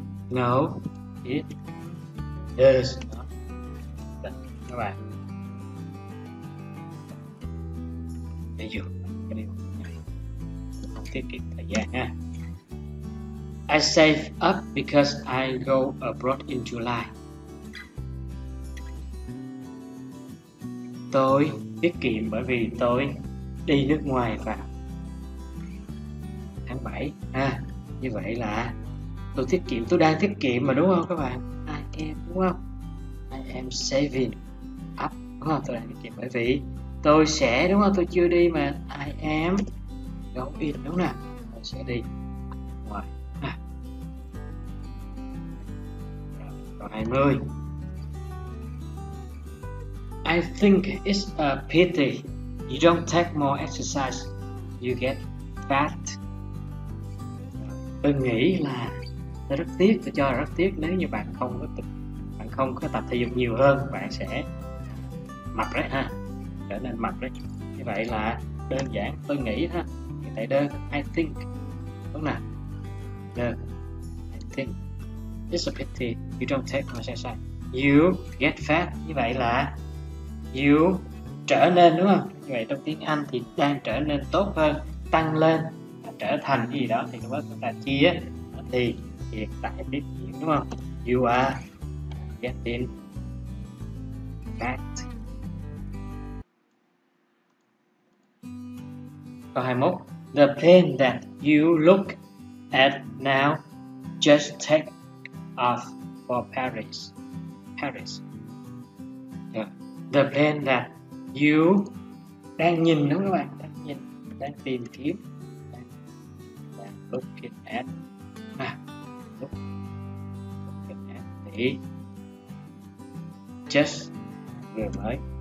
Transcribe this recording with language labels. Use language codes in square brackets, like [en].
[en] no, it does not. [vi] Các bạn dùng tiết kiệm thời gian ha. [en] I save up because I go abroad in July. [vi] Tôi tiết kiệm bởi vì tôi đi nước ngoài vào tháng 7 ha. Như vậy là tôi tiết kiệm, tôi đang tiết kiệm mà, đúng không các bạn? [en] I am, [vi] đúng không? [en] I am saving up, [vi] đúng không? Tôi đang tiết kiệm bởi vì tôi sẽ, đúng không? Tôi chưa đi mà. [en] I am going, [vi] đúng không nào? Tôi sẽ đi ngoài. Câu 20. [en] I think it's a pity you don't take more exercise, you get fat. [vi] Tôi nghĩ là tôi rất tiếc, tôi cho là rất tiếc nếu như bạn không có tập thể dục nhiều hơn, bạn sẽ mập đấy ha. Trở nên mập đấy. Như vậy là đơn giản tôi nghĩ ha, hiện tại đơn [en] I think, [vi] đúng nào? [en] Đơn I think it's a pity you don't take more exercise, you get fat. [vi] Như vậy là you trở nên, đúng không? Như vậy trong tiếng Anh thì đang trở nên tốt hơn, tăng lên, trở thành gì đó thì nó chúng ta chia thì hiện tại tiết kiệm, đúng không? [en] You are getting fat. [vi] Câu 21. [en] The plane that you look at now just take off for Paris. Paris. Yeah. The plane that you [vi] đang nhìn, đúng không các bạn? Đang nhìn, đang tìm kiếm, đang [en] looking at. [vi] À, [en] looking at [vi] thì just vừa mới.